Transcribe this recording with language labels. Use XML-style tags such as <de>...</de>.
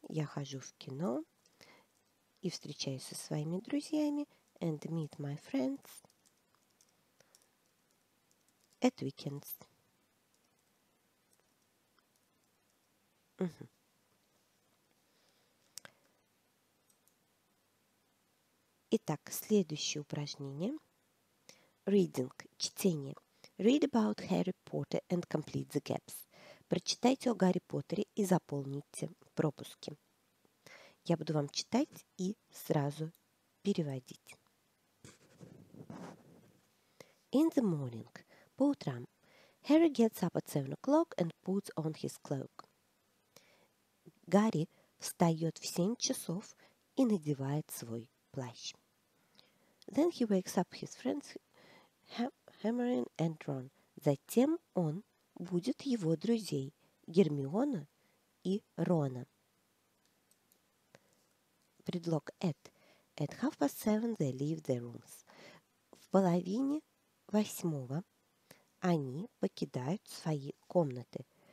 <ru>Я хожу в кино и встречаюсь со своими друзьями</ru> <en>and meet my friends at weekends.</en> <ru>Угу. Итак, следующее упражнение.</ru> <en>Reading.</en> <ru>Чтение.</ru> <en>Read about Harry Potter and complete the gaps.</en> <ru>Прочитайте о Гарри Поттере и заполните пропуски. Я буду вам читать и сразу переводить.</ru> <en>In the morning.</en> <ru>По утрам.</ru> <en>Harry gets up at 7 o'clock and puts on his cloak.</en> <ru>Гарри встает в 7 часов и надевает свой плащ.</ru> <en>Then he wakes up his friends, Hermione and Ron.</en> <ru>Затем он будет его друзей Гермиона и Рона. Предлог</ru> <en>at. At 7:30 they leave their rooms.</en> <ru>В половине восьмого они покидают свои комнаты.</ru>